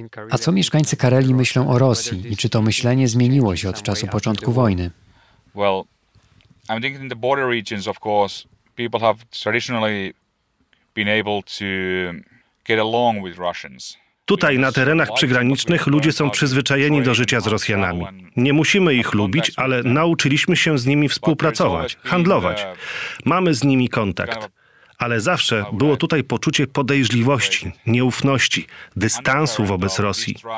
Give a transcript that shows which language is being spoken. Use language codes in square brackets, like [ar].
[pl] A co mieszkańcy Karelii myślą o Rosji i czy to myślenie zmieniło się od czasu początku wojny? [en] Well, I'm thinking in the border regions, of course, people have traditionally been able to get along with Russians. [pl] Tutaj, na terenach przygranicznych, ludzie są przyzwyczajeni do życia z Rosjanami. Nie musimy ich lubić, ale nauczyliśmy się z nimi współpracować, handlować. Mamy z nimi kontakt. Ale zawsze było tutaj poczucie podejrzliwości, nieufności, dystansu wobec Rosji.